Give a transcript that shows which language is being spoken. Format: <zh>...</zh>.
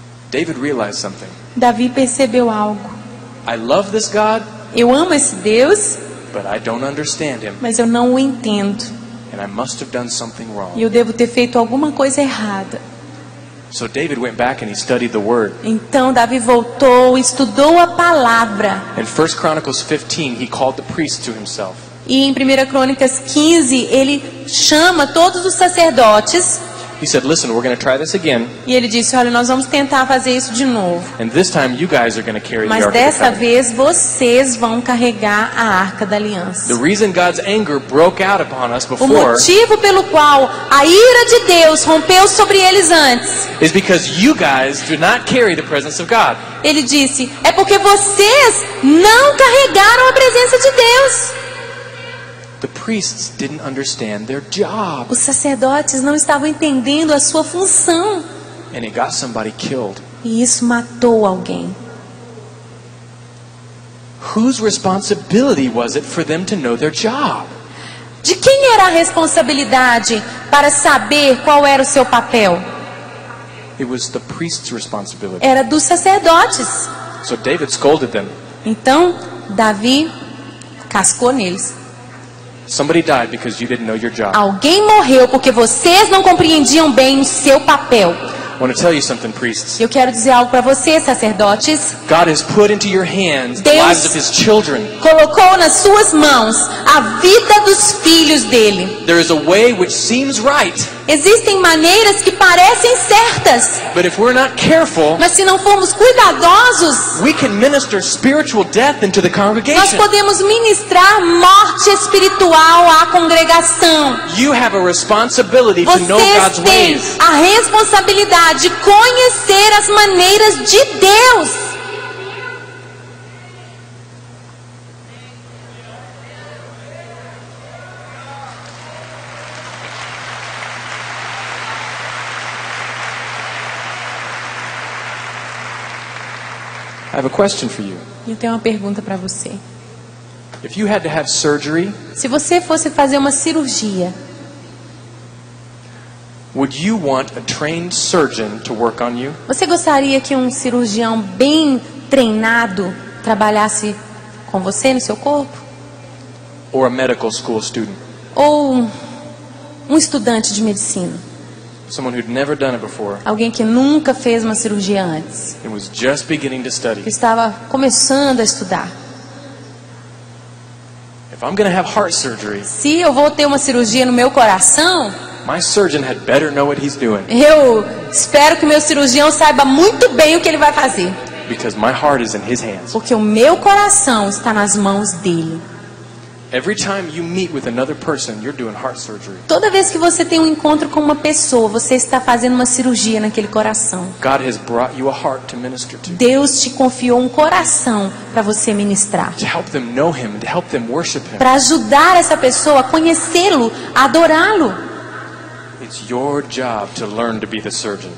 <en>David realized something.</en> <pt>Davi percebeu algo.</pt> <en>I love this God,</en> <pt>eu amo esse Deus,</pt> <en>but I don't understand him.</en> <pt>Mas eu não o entendo.</pt> <en>And I must have done something wrong.</en> <pt>E eu devo ter feito alguma coisa errada.</pt> <en>So David went back and he studied the word.</en> <pt>Então Davi voltou e estudou a palavra.</pt> <en>In 1 Chronicles 15, he called the priests to himself.</en> <pt>E em 1 Crônicas 15, ele chama todos os sacerdotes.</pt> <en>He said, "Listen, we're going to try this again."</en> <pt>E ele disse, olha, nós vamos tentar fazer isso de novo.</pt> <en>And this time you guys are going to carry the</en> <pt>Mas dessa vez vocês vão carregar a arca da aliança.</pt> <en>The reason God's anger broke out upon us before.</en> <pt>O motivo pelo qual a ira de Deus rompeu sobre eles antes.</pt> <en>Is because you guys do not carry the presence of God.</en> <pt>Ele disse, é porque vocês não carregaram a presença de Deus.</pt> <en>The priests didn't understand their job.</en> <pt>Os sacerdotes não estavam entendendo a sua função.</pt> <en>And it got somebody killed.</en> <pt>E isso matou alguém.</pt> <en>Whose responsibility was it for them to know their job?</en> <pt>De quem era a responsabilidade para saber qual era o seu papel?</pt> <en>It was the priest's responsibility.</en> <pt>Era dos sacerdotes.</pt> <en>So David scolded them.</en> <pt>Então Davi cascou neles.</pt> <en>Somebody died because you didn't know your job.</en> <pt>Alguém morreu porque vocês não compreendiam bem o seu papel.</pt> <en>I want to tell you something, priests.</en> <pt>Eu quero dizer algo para vocês, sacerdotes.</pt> <en>God has put into your hands the lives of his children.</en> <pt>Deus colocou nas suas mãos a vida dos filhos dele.</pt> <en>There is a way which seems right.</en> <pt>Existem maneiras que parecem certas.</pt> <en>But if we're not careful,</en> <pt>mas se não formos cuidadosos,</pt> <en>we can minister spiritual death into the congregation.</en> <pt>Nós podemos ministrar morte espiritual à congregação.</pt> <en>You have a responsibility to know God's ways.</en> <pt>A responsabilidade de conhecer as maneiras de Deus.</pt> <en>I have a question for you.</en> <pt>Eu tenho uma pergunta para você.</pt> <en>If you had to have surgery,</en> <pt>se você fosse fazer uma cirurgia,</pt> <en>would you want a trained surgeon to work on you?</en> <pt>Você gostaria que um cirurgião bem treinado trabalhasse com você no seu corpo?</pt> <en>Or a medical school student?</en> <pt>Ou um estudante de medicina?</pt> <en>Someone who'd never done it before.</en> <pt>Alguém que nunca fez uma cirurgia antes.</pt> <en>It was just beginning to study.</en> <pt>Estava começando a estudar.</pt> <en>If I'm gonna have heart surgery,</en> <pt>se eu vou ter uma cirurgia no meu coração,</pt> <en>my surgeon had better know what he's doing.</en> <pt>Eu espero que meu cirurgião saiba muito bem o que ele vai fazer.</pt> <en>Because my heart is in his hands.</en> <pt>Porque o meu coração está nas mãos dele.</pt> <en>Every time you meet with another person, you're doing heart surgery.</en> <pt>Toda vez que você tem um encontro com uma pessoa, você está fazendo uma cirurgia naquele coração.</pt> <en>God has brought you a heart to minister to.</en> <pt>Deus te confiou um coração para você ministrar.</pt> <en>To help them know him, to help them worship him.</en> <pt>Para ajudar essa pessoa a conhecê-lo, a adorá-lo.</pt> <en>It's your job to learn to be the surgeon.</en>